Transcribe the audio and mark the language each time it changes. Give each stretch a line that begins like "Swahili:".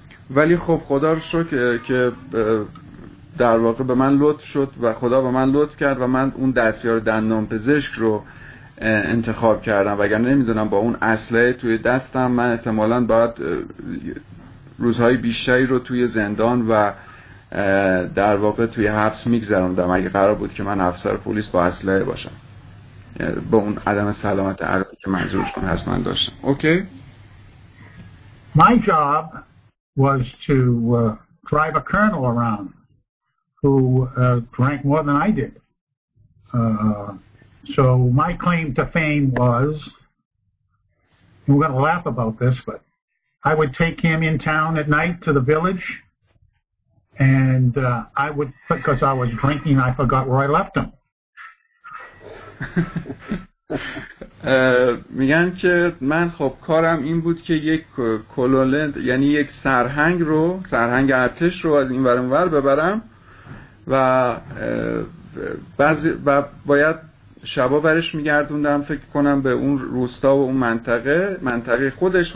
Persian: ولی خب خدا رو شکر که در واقع به من لطف شد و خدا به من لطف کرد و من اون دستیار دندان پزشک رو انتخاب کردم، وگر نمیدونم با اون اسلحه توی دستم من احتمالاً باید روزهای بیشتری رو توی زندان و در واقع توی حبس میگذروندم اگه قرار بود که من افسر پلیس با اسلحه باشم، با اون عدم سلامت عقلی که منظورشون هست من داشتم. اوکی؟
English: My job was to drive a colonel around who drank more than I did. So my claim to fame was, we're going to laugh about this, but I would take him in town at night to the village, and I would, because I was drinking, I forgot where I left him.
Persian: میگن که من خب کارم این بود که یک کلونل یعنی یک سرهنگ رو، سرهنگ ارتش رو از این ور اونور ببرم و بعضی و باید شبا برش میگردوندم فکر کنم به اون روستا و اون منطقه، منطقه خودش.